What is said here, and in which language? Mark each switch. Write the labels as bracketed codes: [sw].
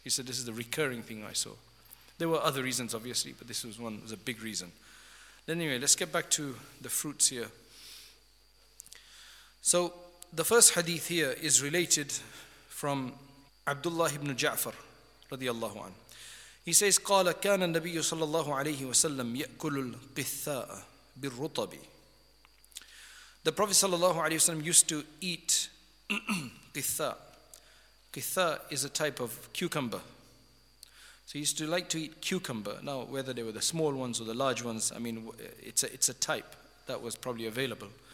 [en] He said this is the recurring thing I saw. There were other reasons, obviously, but this was one, was a big reason. Anyway, let's get back to the fruits here. So the first hadith here is related from Abdullah ibn Ja'far radiallahu anhu. He says, [ar] قَالَ كَانَ النَّبِيُّ صَلَّى اللَّهُ عَلَيْهِ وَسَلَّمْ يَأْكُلُ الْقِثَّاءَ بِالرُّطَبِ. [en] The Prophet [ar] صلى الله عليه وسلم [en] used to eat qitha. Qitha is a type of cucumber. So he used to like to eat cucumber. Now, whether they were the small ones or the large ones, I mean, it's a type that was probably available.